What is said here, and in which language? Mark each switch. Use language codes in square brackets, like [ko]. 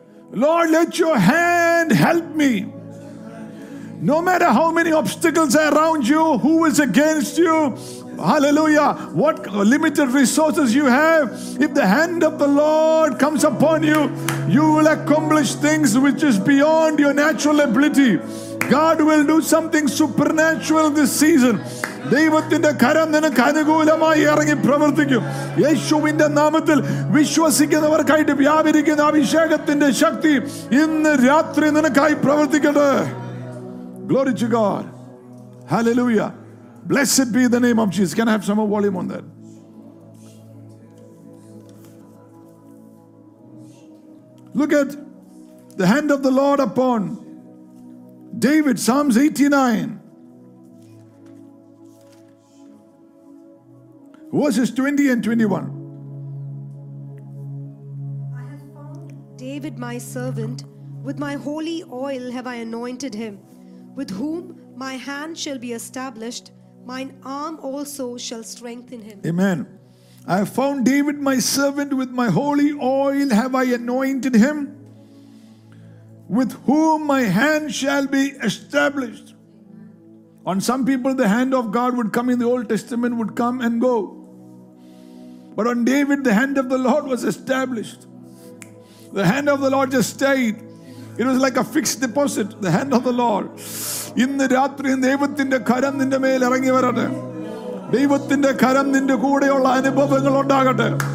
[en] Lord, let your hand help me. No matter how many obstacles are around you, who is against you, hallelujah, what limited resources you have, if the hand of the Lord comes upon you, you will accomplish things which is beyond your natural ability. God will do something supernatural this season. [ml] ദൈവത്തിന്റെ കരം നിനക്ക് അനുകൂലമായി ഇറങ്ങി പ്രവർത്തിക്കും. യേശുവിന്റെ നാമത്തിൽ വിശ്വസിക്കുന്നവർക്കായിട്ട് വ്യാപരിക്കുന്ന അഭിഷേകത്തിന്റെ ശക്തി ഇന്ന് രാത്രി നിനക്കായി പ്രവർത്തിക്കട്ടെ. [en] Glory to God. Hallelujah. Blessed be the name of Jesus. Can I have some more volume on that? Look at the hand of the Lord upon David, Psalms 89. Verses 20 and 21. I have found David my servant. With my holy oil have I anointed him. With whom my hand shall be established, mine arm also shall strengthen him. Amen. I have found David my servant. With my holy oil have I anointed him. With whom my hand shall be established. Amen. On some people the hand of God would come in the Old Testament, would come and go. But on David, the hand of the Lord was established. The hand of the Lord just stayed. It was like a fixed deposit, the hand of the Lord. [ml] ഇന്ന് രാത്രി ദൈവത്തിന്റെ കരം നിന്റെ മേൽ ഇറങ്ങി വരട്ടെ. ദൈവത്തിന്റെ കരം നിന്റെ കൂടെയുള്ള അനുഭവങ്ങൾ ഉണ്ടാകട്ടെ.